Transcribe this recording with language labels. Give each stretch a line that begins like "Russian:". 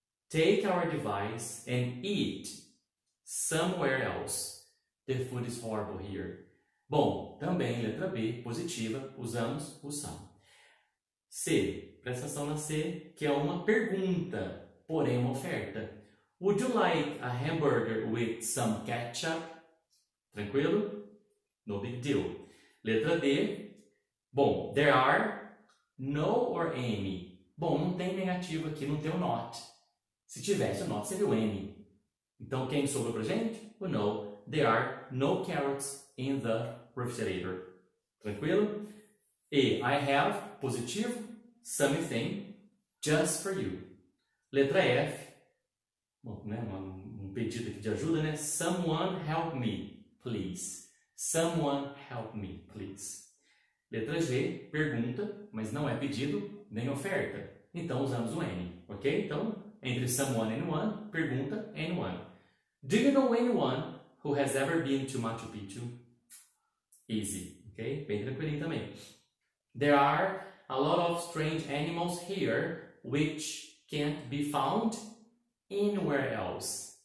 English: Take our advice and eat somewhere else. The food is horrible here.
Portuguese: Bom, também letra B, positiva, usamos o são. C, presta atenção na C, que é uma pergunta, porém uma oferta.
English: Would you like a hamburger with some ketchup? Tranquilo? No big deal.
Portuguese: Letra D, bom,
English: there are no or any.
Portuguese: Bom, não tem negativo aqui, não tem o not. Se tivesse o not, seria o any. Então, quem sobrou pra gente? O no.
English: There are no carrots in the refrigerator.
Portuguese: Tranquilo?
English: E, I have, positivo, something just for you.
Portuguese: Letra F, bom, né, um pedido aqui de ajuda, né?
English: Someone help me, please. Someone help me, please.
Portuguese: Letra G, pergunta, mas não é pedido, nem oferta. Então, usamos o N, ok? Então, entre someone and one, pergunta, and one.
English: Do you know anyone who has ever been to Machu Picchu? Easy, ok?
Portuguese: Bem tranquilinho também.
English: There are a lot of strange animals here which can't be found anywhere else.